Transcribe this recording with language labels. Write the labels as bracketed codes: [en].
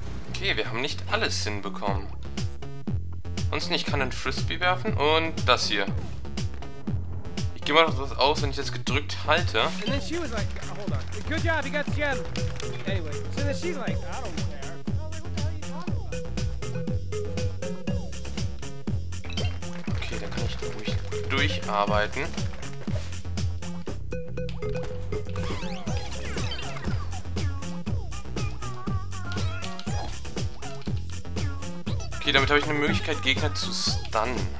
[de] Okay, wir haben nicht alles hinbekommen. Und ich kann einen Frisbee werfen und das hier. Ich geh mal noch was aus, wenn ich das gedrückt halte. [en] And then she was like, hold on. Good job, you got together. Anyway, so then she's like, I don't care. [de] Okay, dann kann ich ruhig durcharbeiten. Okay, damit habe ich eine Möglichkeit, Gegner zu stunnen.